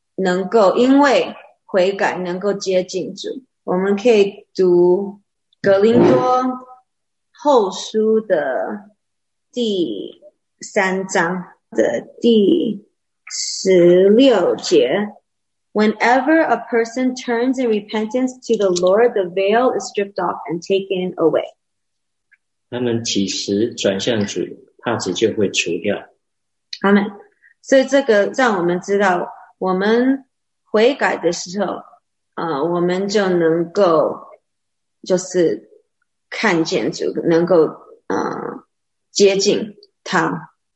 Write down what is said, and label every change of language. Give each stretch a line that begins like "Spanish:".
Chinese: 能够因为悔改能够接近主，我们可以读《格林多后书》的第3章的第16节。
English: Whenever a person turns in repentance to the Lord, the veil is stripped off and taken away.
Chinese: 他们几时转向主，帕子就会除掉。
English: Amen。
Chinese: 所以这个让我们知道，我们。悔改的时候，我们就能够就是看见主，能够接近他。